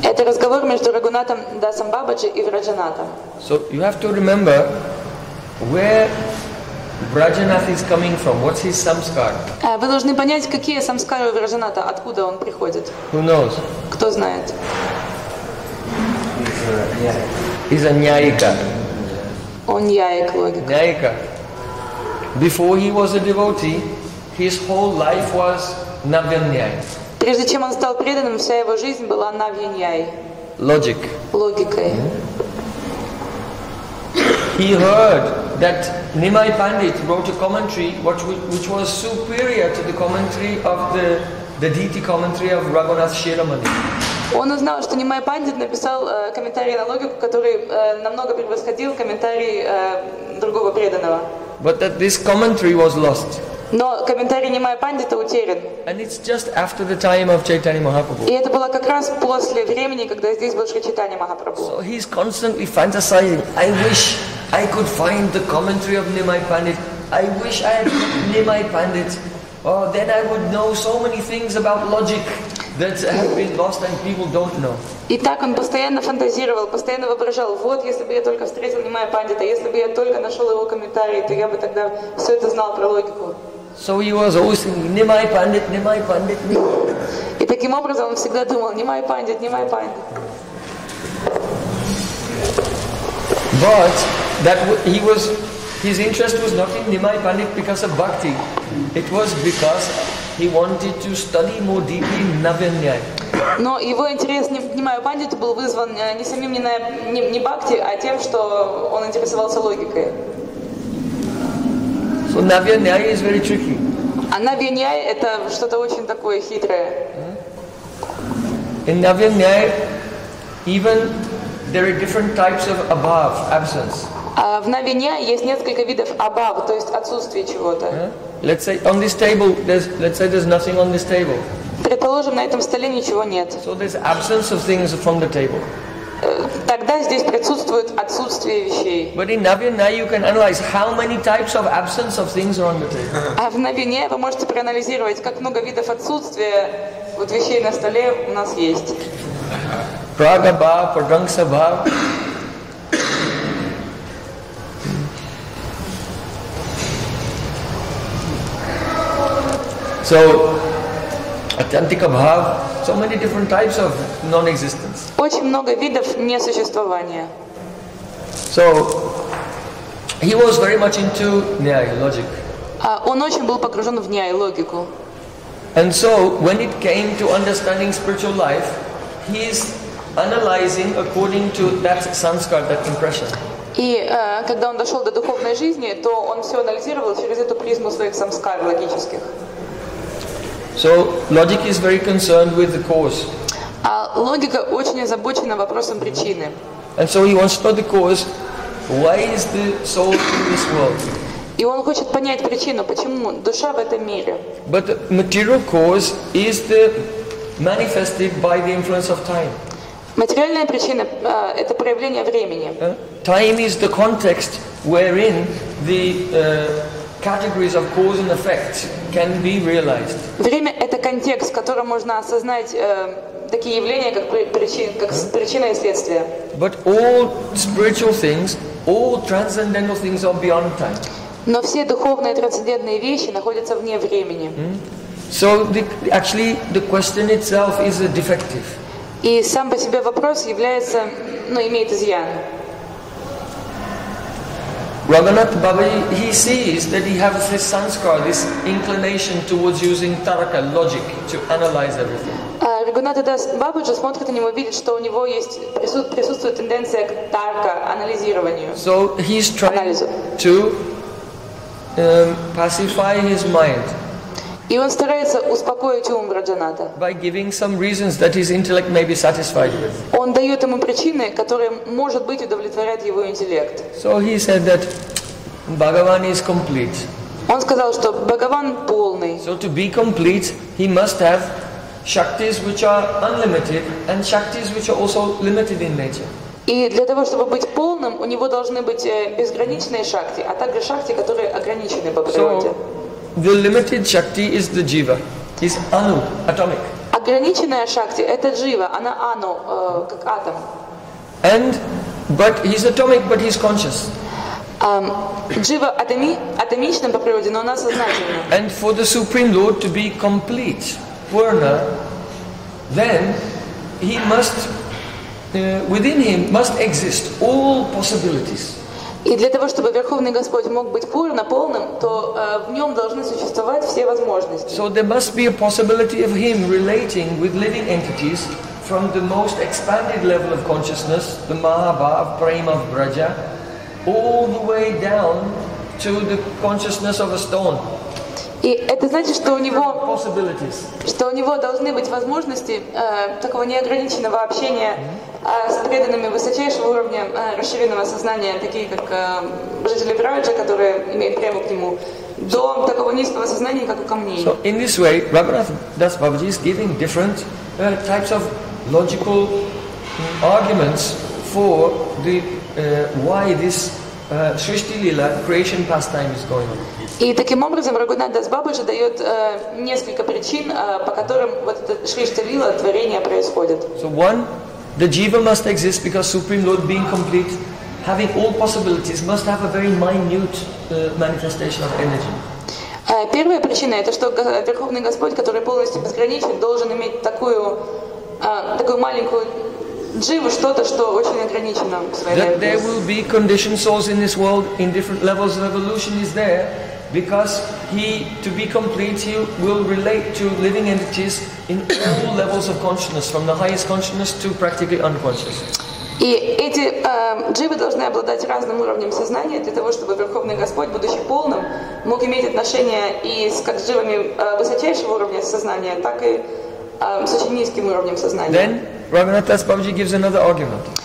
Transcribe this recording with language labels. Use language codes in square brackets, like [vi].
[ru] Это разговор между Рагунатом Дасом Бабаджи и Враджанатом. [en] So you have to remember where Враджанат is coming from. What's his samskara? [ru] Вы должны понять, какие самскары у Враджаната, откуда он приходит. [en] Who knows? [ru] Кто знает? [en] He's a ньяйка. [ru] Он ньяйк, логика. [en] Ньяйка. Before he was a devotee, his whole life was навьяньяй. [ru] Прежде чем он стал преданным, вся его жизнь была навьяньяй. [en] Logic. [ru] Логикой. [en] He heard that Nimai Pandit wrote a commentary which was superior to the commentary of the deity commentary of Raghunath Shiromani. [ru] Он узнал, что Нимай Пандит написал комментарий на логику, который намного превосходил комментарий другого преданного. [en] But that this commentary was lost. [ru] Но комментарий Нимай Пандита утерян. [en] And it's just after the time of Chaitanya Mahaprabhu. [ru] И это было как раз после времени, когда здесь был Чайтанья Махапрабху. [en] So he's constantly fantasizing. I wish I could find the commentary of Nimai Pandit. I wish I had Nimai Pandit. Oh, then I would know so many things about logic that have been lost and people don't know. [ru] И так он постоянно фантазировал, постоянно воображал. Вот, если бы я только встретил Нимая Пандита, если бы я только нашел его комментарии, то я бы тогда все это знал про логику. [en] So he was always thinking, Nimai Pandit, Nimai Pandit. [ru] И таким образом он всегда думал, Nimai Pandit, Nimai Pandit. [en] But that he was, his interest was not in Nimai Pandit because of bhakti. It was because he wanted to study more deeply Navyanyaya. [ru] Но его интерес не Нимаю Пандиту был вызван не самим не бхакти, а тем, что он интересовался логикой. [en] So Navyanyaya is very tricky. [ru] А Navyanyaya это что-то очень такое хитрое. [en] In Navyanyaya, even there are different types of abhav, absence. [ru] В Navyanyaya есть несколько видов абав, то есть отсутствие чего-то. [en] Let's say on this table, let's say there's nothing on this table. [ru] Предположим, на этом столе ничего нет. [en] So there's absence of things from the table. [ru] Тогда здесь присутствует отсутствие вещей. [en] But in Navyanyaya you can analyze how many types of absence of things are on the table. [ru] А в Navyanyaya вы можете проанализировать, как много видов отсутствия вот вещей на столе у нас есть. [sa] Прага бав, прагангса бав. [en] So, atyantika bhav, so many different types of non-existence. [ru] Очень много видов несуществования. [en] So, he was very much into nyaya, logic. [ru] Он очень был погружен в нья, логику. [en] And so, when it came to understanding spiritual life, he is analyzing according to that sanskar, that impression. [ru] И когда он дошел до духовной жизни, то он все анализировал через эту призму своих самскар логических. [en] So logic is very concerned with the cause. [ru] Логика очень озабочена вопросом причины. [en] And so he wants to know the cause. Why is the soul in this world? [ru] И он хочет понять причину, почему душа в этом мире. [en] But the material cause is the manifested by the influence of time. [ru] Материальная причина это проявление времени. [en] Time is the context wherein the categories of cause and effect can be realized. [ru] Время это контекст, в котором можно осознать такие явления, как причина и следствие. [en] But all spiritual things, all transcendental things are beyond time. [ru] Но все духовные трансцендентные вещи находятся вне времени. [en] So actually the question itself is a defective. [ru] И сам по себе вопрос является, ну, имеет изъян. [en] Raghunath Babaji, he sees that he has this sanskara, this inclination towards using taraka, logic, to analyze everything. [ru] Raghunath Babaji смотрит на него, видит, что у него есть присутствует тенденция к тарка, анализированию. [en] So he's trying to pacify his mind. [ru] И он старается успокоить ум Раджаната. [en] By giving some reasons that his intellect may be satisfied with. [ru] Он дает ему причины, которые может быть удовлетворят его интеллект. [en] So he said that Bhagavan is complete. [ru] Он сказал, что Бхагаван полный. [en] So to be complete, he must have shaktis which are unlimited and shaktis which are also limited in nature. [ru] И для того, чтобы быть полным, у него должны быть безграничные шакти, а также шакти, которые ограничены по природе. [en] The limited shakti is the jiva, is anu, atomic. [ru] А Ограниченная шакти – это джива, она ано, как атом. [en] And, but he's atomic, but he's conscious. [ru] Джива атомична по природе, но она сознательна. [en] And for the Supreme Lord to be complete, purna, then he must, within him must exist all possibilities. [ru] И для того, чтобы Верховный Господь мог быть пурна, полным, то в нем должны существовать все возможности. [en] So there must be a possibility of him relating with living entities from the most expanded level of consciousness, the Mahabhava, Prem of Braja, all the way down to the consciousness of a stone. [ru] И это значит, что у него должны быть возможности такого неограниченного общения с преданными высочайшего уровня расширенного сознания, такие как жители Прайджа, которые имеют прямо к нему, до такого низкого сознания, как у камней. [en] So in this way, Raghunath Das Babaji is giving different types of logical arguments for the why this Srishti Lila, creation pastime is going on. [ru] И таким образом Рагунат Дас Бабаджи дает несколько причин, по которым вот это Шришти Лила творение происходит. [en] So one, the jiva must exist because Supreme Lord being complete, having all possibilities, must have a very minute manifestation of energy. [ru] Первая причина это что Верховный Господь, который полностью безграничен, должен иметь такую такую маленькую джива, что-то, что очень ограничено в своей [en] That there will be conditioned souls in this world in different levels of evolution is there, because he, to be complete, he will relate to living entities in all levels of consciousness, from the highest consciousness to practically unconscious. [ru] И эти дживы должны обладать разным уровнем сознания для того, чтобы Верховный Господь, будучи полным, мог иметь отношение и с как с дживами высочайшего уровня сознания, так и с очень низким уровнем сознания. [en] Then, Raghunath Das Babaji gives another argument.